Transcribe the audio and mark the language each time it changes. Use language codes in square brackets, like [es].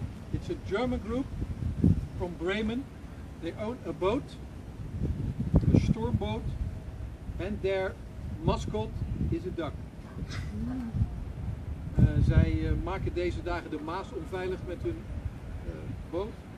[nl] Dit is een [en] German group from Bremen. They own a boat, a storm boat, and their mascot is a duck. [nl] Zij maken deze dagen de Maas onveilig met hun boot.